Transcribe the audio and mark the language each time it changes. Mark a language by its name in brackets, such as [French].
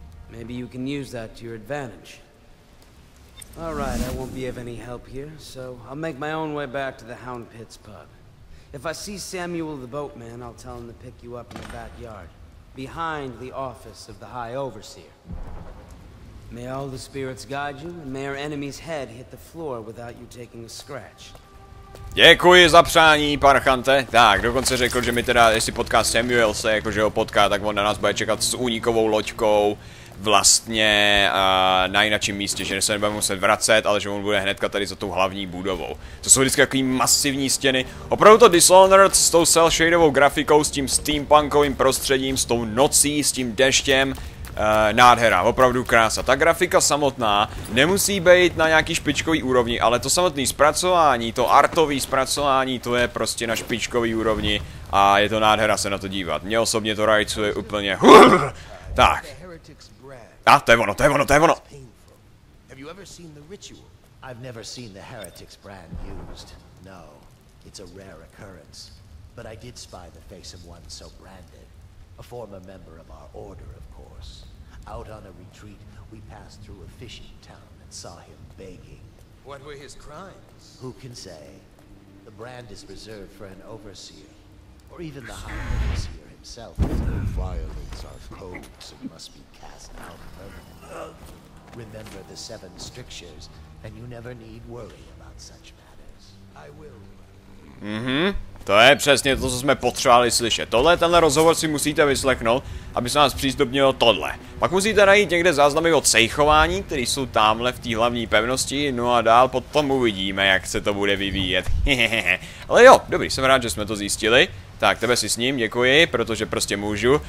[English] Maybe you can use that to your advantage. All right, I won't be of any help here, so I'll make my own way back to the Hound Pits pub. If I see Samuel the boatman, I'll tell him to pick you up in the backyard, behind the office of the High Overseer. May all the spirits guide you, and may our enemy's head hit the floor without you taking a scratch. [Czech] Děkuji za přání, parchante. Tak, dokonce řekl, že mi teda, jestli potká Samuelse, jakože ho potká, tak on na nás bude čekat s únikovou loďkou vlastně na jinačím místě, že se nebude muset vracet, ale že on bude hnedka tady za tou hlavní budovou. To jsou vždycky takový masivní stěny. Opravdu to Dishonored s tou cel-shadovou grafikou, s tím steampunkovým prostředím, s tou nocí, s tím deštěm, nádhera, opravdu krása. Ta grafika samotná nemusí být na nějaký špičkový úrovni, ale to samotné zpracování, to artové zpracování, to je prostě na špičkový úrovni a je to nádhera se na to dívat. Mně osobně to rajcuje úplně. Tak. A to je ono, to je ono, to je ono. [English] Have you ever seen the ritual? I've never seen the Heretic's brand used. No, it's a rare occurrence. But I did spy the face of one so branded. A former member of our order, of course. Out on a retreat, we passed through a fishing town and saw him begging. What were his crimes? Who can say? The brand is reserved for an overseer. Or even the High Overseer himself. He violates our codes and must be cast out permanently. Remember the seven strictures, and you never need worry about such matters. I will. Mm-hmm. [Czech] To je přesně to, co jsme potřebovali slyšet. Tohle, tenhle rozhovor si musíte vyslechnout, aby se nám zpřístupnilo tohle. Pak musíte najít někde záznamy o cejchování, které jsou tamhle v té hlavní pevnosti, no a dál potom uvidíme, jak se to bude vyvíjet. Ale jo, dobrý, jsem rád, že jsme to zjistili. Tak, tebe si s ním, děkuji, protože prostě můžu.